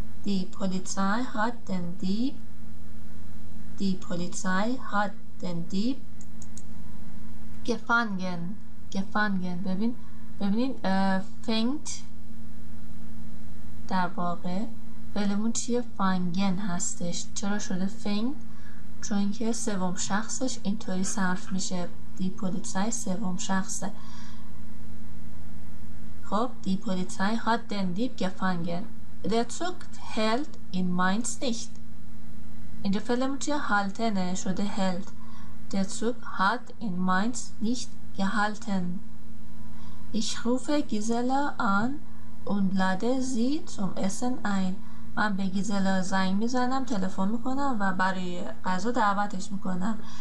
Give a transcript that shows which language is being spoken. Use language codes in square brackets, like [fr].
[de] Die Polizei hat den Dieb. Die Polizei hat den Dieb gefangen. گفانگن. [fa] ببینین فنگت در واقع فعلمون چیه؟ فانگن هستش. چرا شده فنگ؟ چون که سوم شخصش اینطوری صرف میشه، دی پولیسای سوم شخصه. [de] خب دی پولیسای هات دن دیپ گفانگن. در زوگ هلد این ماینز نیشت. [fa] اینجا فعلمون چیه؟ هالتنه، شده هلد. [de] Der Zug hat in Mainz nicht gehalten. Ich rufe Gisela an und lade sie zum Essen ein. [fa] من به گیزلا زنگ میزنم، تلفن میکنم و برای غذا دعوتش میکنم.